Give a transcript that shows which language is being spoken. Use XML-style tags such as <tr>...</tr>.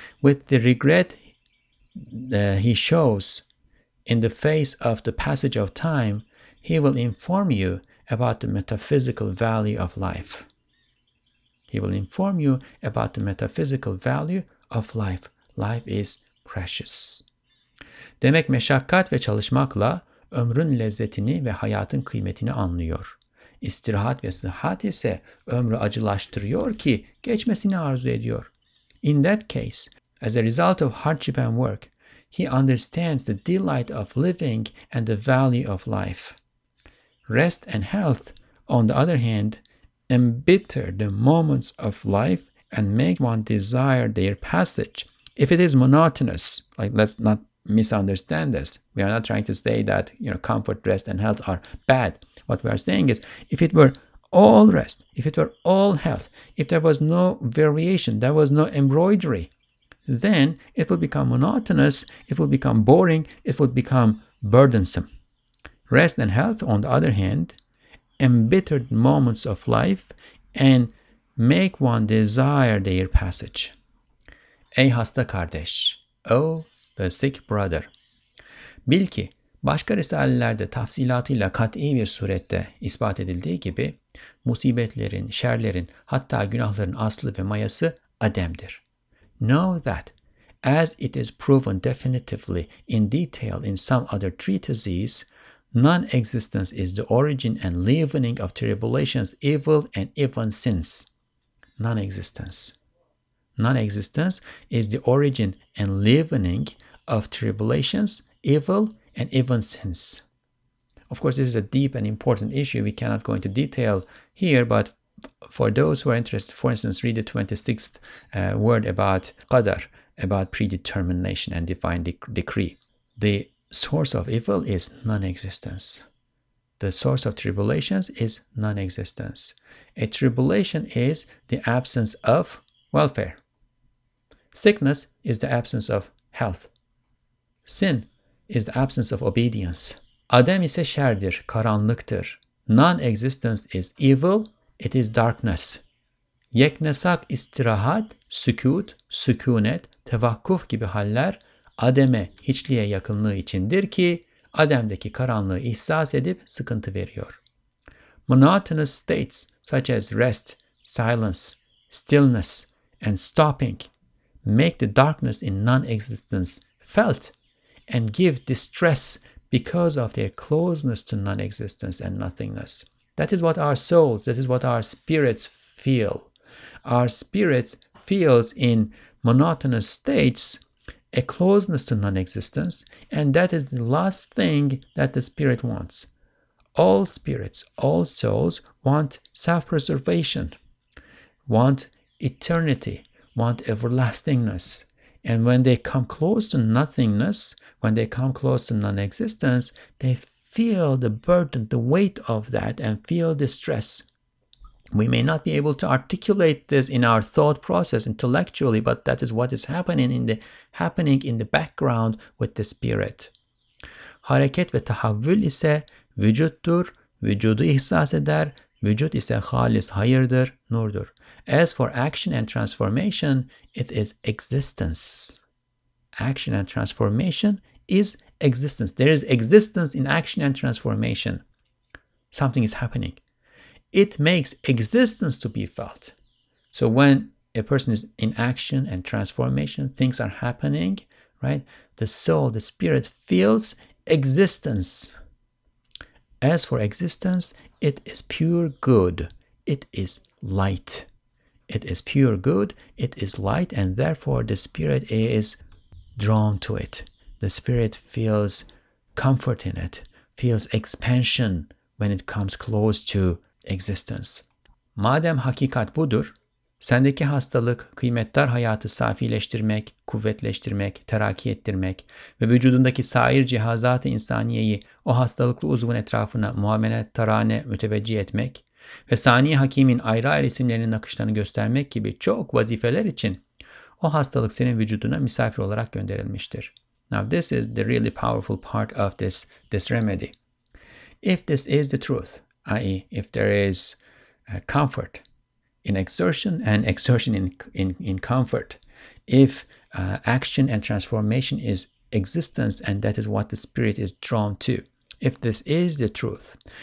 <en>With the regret he shows in the face of the passage of time, he will inform you about the metaphysical value of life. He will inform you about the metaphysical value of life. Life is precious.</en> <tr>Demek meşakkat ve çalışmakla ömrün lezzetini ve hayatın kıymetini anlıyor. İstirahat ve sıhhat ise ömrü acılaştırıyor ki geçmesini arzu ediyor.</tr> <en>In that case, as a result of hardship and work, he understands the delight of living and the value of life. Rest and health, on the other hand, embitter the moments of life and make one desire their passage. If it is monotonous, like, let's not misunderstand this. We are not trying to say that, you know, comfort, rest, and health are bad. What we are saying is, if it were all rest, if it were all health, if there was no variation, there was no embroidery, then it would become monotonous, it would become boring, it would become burdensome. Rest and health, on the other hand, embittered moments of life and make one desire their passage.</en> <tr>Ey hasta kardeş,</tr> <en>oh, the sick brother.</en> <tr>Bil ki başka risalelerde tafsilatıyla kat'i bir surette ispat edildiği gibi musibetlerin, şerlerin, hatta günahların aslı ve mayası ademdir.</tr> <en>Know that as it is proven definitively in detail in some other treatises, non-existence is the origin and leavening of tribulations, evil and even sins. Non-existence. Non-existence is the origin and leavening of tribulations, evil, and even sins. Of course, this is a deep and important issue. We cannot go into detail here, but for those who are interested, for instance, read the 26th word about qadar, about predetermination and divine decree. The source of evil is non-existence. The source of tribulations is non-existence. A tribulation is the absence of welfare. Sickness is the absence of health. Sin is the absence of obedience.</en> <tr>Adem ise şerdir, karanlıktır.</tr> <en>Non-existence is evil, it is darkness.</en> <tr>Yeknesak istirahat, sükut, sükunet, tevakkuf gibi haller Adem'e hiçliğe yakınlığı içindir ki Adem'deki karanlığı ihsas edip sıkıntı veriyor.</tr> <en>Monotonous states such as rest, silence, stillness and stopping make the darkness in non-existence felt and give distress because of their closeness to non-existence and nothingness. That is what our souls, that is what our spirits feel. Our spirit feels in monotonous states a closeness to non-existence, and that is the last thing that the spirit wants. All spirits, all souls want self-preservation, want eternity, want everlastingness. And when they come close to nothingness, when they come close to non-existence, they feel the burden, the weight of that, and feel distress. We may not be able to articulate this in our thought process intellectually, but that is what is happening in the background with the spirit.</en> <tr>Hareket ve tahavvül ise vücuttur, vücudu ihsas eder, vücut ise halis hayırdır, nurdur.</tr> <en>As for action and transformation, it is existence. Action and transformation is existence. There is existence in action and transformation. Something is happening. It makes existence to be felt. So when a person is in action and transformation, things are happening, right? The soul, the spirit feels existence. As for existence, it is pure good. It is light. It is pure good, it is light, and therefore the spirit is drawn to it. The spirit feels comfort in it, feels expansion when it comes close to existence.</en> <tr>Madem hakikat budur, sendeki hastalık kıymetdar hayatı safileştirmek, kuvvetleştirmek, terakki ettirmek ve vücudundaki sair cihazat-ı insaniyeyi o hastalıklı uzvun etrafına muamele, tarane, müteveccih etmek ve saniye hakimin ayrı ayrı isimlerinin nakışlarını göstermek gibi çok vazifeler için o hastalık senin vücuduna misafir olarak gönderilmiştir.</tr> <en>Now this is the really powerful part of this remedy. If this is the truth, i.e. if there is comfort in exertion and exertion in comfort, if action and transformation is existence and that is what the spirit is drawn to, if this is the truth,</en>